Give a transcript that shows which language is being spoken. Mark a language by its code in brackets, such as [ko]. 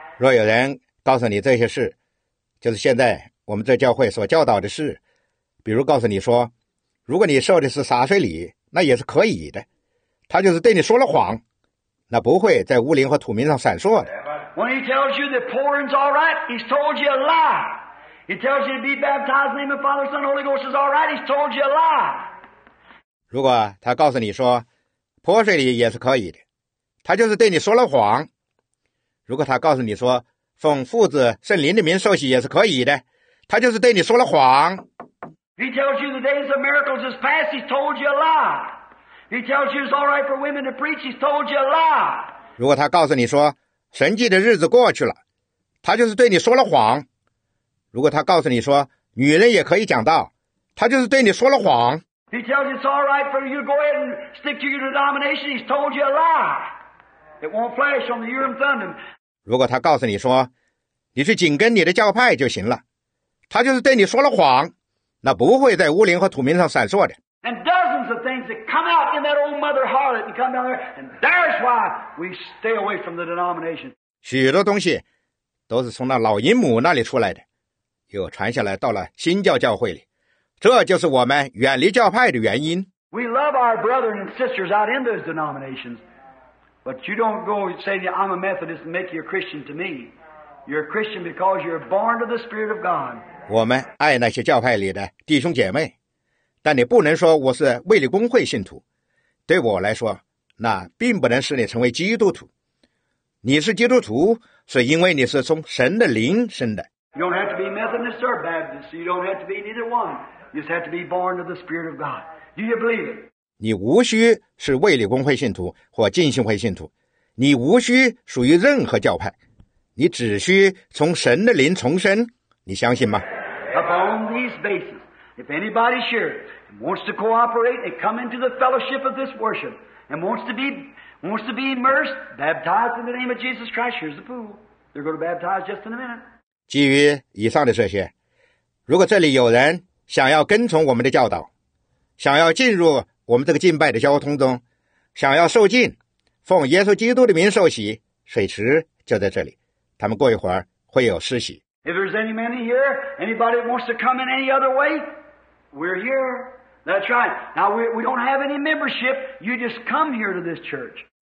[zh] 若有人告诉你这些事，就是现在我们这教会所教导的事，比如告诉你说，如果你受的是洒水礼，那也是可以的，他就是对你说了谎，那不会在乌灵和土民上闪烁的。 [en] When he tells you that pouring's all right, he's told you a lie. He tells you to be baptized in the name of Father, Son, Holy Ghost is all right. He's told you a lie. [zh] 如果他告诉你说泼水里也是可以的，他就是对你说了谎。如果他告诉你说奉父子圣灵的名受洗也是可以的，他就是对你说了谎。 [en] He tells you the days of miracles is past. He's told you a lie. He tells you it's all right for women to preach. He's told you a lie. [zh] 如果他告诉你说神迹的日子过去了，他就是对你说了谎。如果他告诉你说女人也可以讲道，他就是对你说了谎。 [en] He tells you it's all right for you to go ahead and stick to your denomination. He's told you a lie. It won't flash on the Urim Thummim. [zh] 如果他告诉你说你去紧跟你的教派就行了，他就是对你说了谎，那不会在乌灵和土民上闪烁的。 [en] And dozens of things that come out in that old mother harlot and come down there, and that's why we stay away from the denomination. [zh] 许多东西都是从那老淫母那里出来的。又传下来到了新教教会里，这就是我们远离教派的原因。 [en] We love our brothers and sisters out in those denominations, but you don't go saying I'm a Methodist and make you a Christian to me. You're a Christian because you're born of the Spirit of God. [zh] 我们爱那些教派里的弟兄姐妹，但你不能说我是卫理公会信徒。对我来说，那并不能使你成为基督徒。你是基督徒，是因为你是从神的灵生的。 [en] You don't have to be Methodist or Baptist. You don't have to be neither one. You just have to be born of the Spirit of God. Do you believe it? [zh] 你无需是卫理公会信徒或浸信会信徒，你无需属于任何教派，你只需从神的灵重生。你相信吗 [en] ？Upon these bases, if anybody here wants to cooperate and come into the fellowship of this worship and wants to be immersed, baptized in the name of Jesus Christ, here's the pool. They're going to baptize just in a minute. [zh] 基于以上的这些，如果这里有人想要跟从我们的教导，想要进入我们这个敬拜的交通中，想要受浸，奉耶稣基督的名受洗，水池就在这里，他们过一会儿会有施洗。 [en] If there's any man in here, anybody that wants to come in any other way, we're here. That's right. Now we don't have any membership. You just come here to this church.